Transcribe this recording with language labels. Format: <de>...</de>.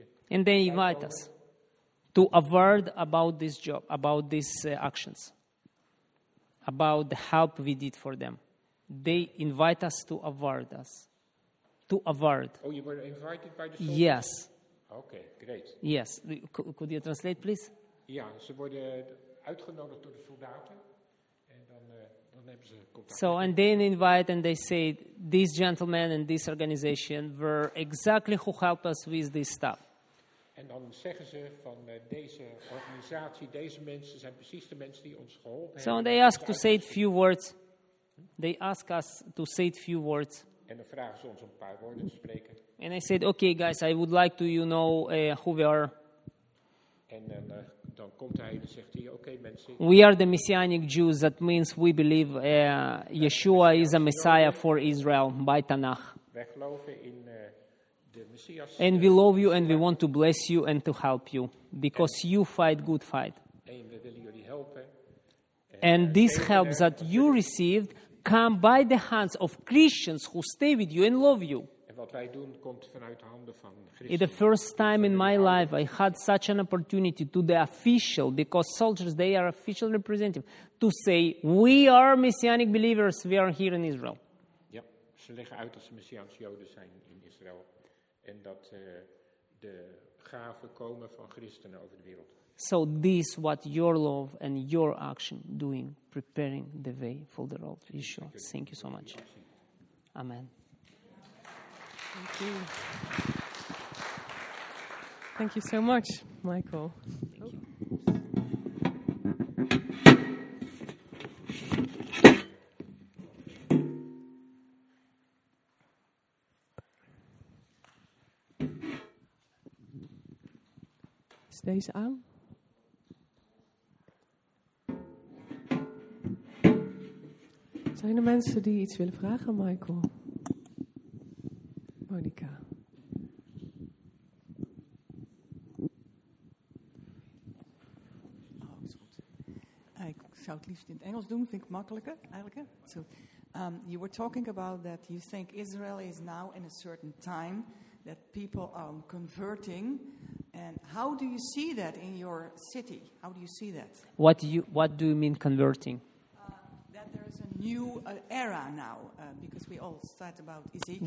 <en>And they invite us to a word about this job, about these actions, about the help we did for them. They invite us to award us. to avert. Oh, you were invited by the soldiers? Yes. Okay, great. Yes, could you translate, please?</en> <nl>Ja, ze worden uitgenodigd door de soldaten en dan hebben ze contact.</nl> <en>So, and they invite and they say, these gentlemen and this organization were exactly who helped us with this stuff.</en> <nl>En dan zeggen ze van deze organisatie, deze mensen zijn precies de mensen die ons geholpen hebben.</nl> <en>So, and they ask to say a few words. They ask us to say a few words.</en> <nl>En dan vragen ze ons een paar woorden te spreken.</nl> <en>And I said, okay, guys, I would like to, you know, who we are.</en> <nl>En dan komt hij en zegt hij, okay, mensen.</nl> <en>We are the Messianic Jews. That means we believe Yeshua is a Messiah for Israel by Tanakh.</en> <nl>Wij geloven in de Messias.</nl> <en>And we love you and we want to bless you and to help you. Because you fight good fight.</en> <nl>En we willen jullie helpen.</nl> <en>And this help that you received come by the hands of Christians who stay with you and love you.</en> <nl>En wat wij doen komt vanuit de handen van Christus.</nl> <en>In the first time in my life I had such an opportunity to the official, because soldiers, they are official representative, to say, we are Messianic believers, we are here in Israel.</en> <nl>Ja, ze leggen uit dat ze Messiaans Joden zijn in Israël. En dat de gaven komen van Christenen over de wereld.</nl> <en>So this what your love and your action doing, preparing the way for the Lord Yeshua. Thank you so much. Amen. Thank you. Thank you so much, Michael. Thank you.</en> <nl>Is deze aan? Zijn er mensen die iets willen vragen, Michael? Monica? Oh, is goed. Ik zou het liefst in het Engels doen, vind ik makkelijker eigenlijk.</nl> <en>So, you were talking about that you think Israel is now in a certain time that people are converting. And how do you see that in your city? How do you see that? What do you mean converting? New era now, because we all start about Ezekiel.</en>